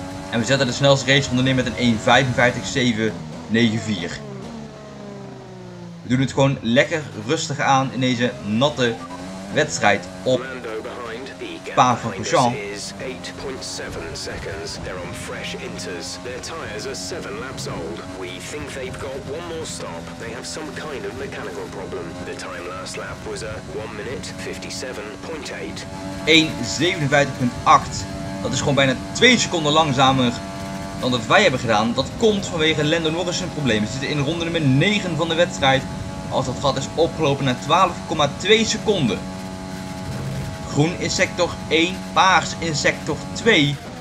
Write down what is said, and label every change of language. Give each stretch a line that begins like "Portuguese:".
Dutch: En we zetten de snelste race van de neer met een 1.55.794. We doen het gewoon lekker rustig aan in deze natte wedstrijd op Paris-Roubaix.
English: Is 8.7 seconds. They're on fresh inters. Their tires are 7 laps old. We think they've got one more stop. They have some kind of mechanical problem. The time last lap was a 1 minute 57.8. 1.57.8.
Dutch: Dat is gewoon bijna 2 seconden langzamer dan dat wij hebben gedaan. Dat komt vanwege Lando Norris zijn probleem. We zitten in ronde nummer 9 van de wedstrijd. Als dat gat is opgelopen naar 12,2 seconden. Groen in sector 1, paars in sector 2.